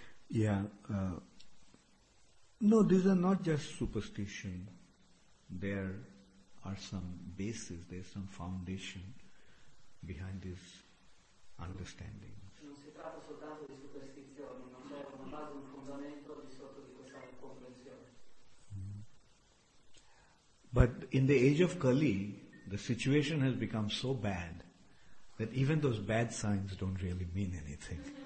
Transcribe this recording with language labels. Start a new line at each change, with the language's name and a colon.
English: Yeah. No, these are not just superstition. There are some basis, there's some foundation behind these understandings.
Italian: Non si tratta soltanto di superstizioni, non c'è una base, un fondamento di sotto di questa comprensione.
English: But in the age of Kali, the situation has become so bad that even those bad signs don't really mean anything.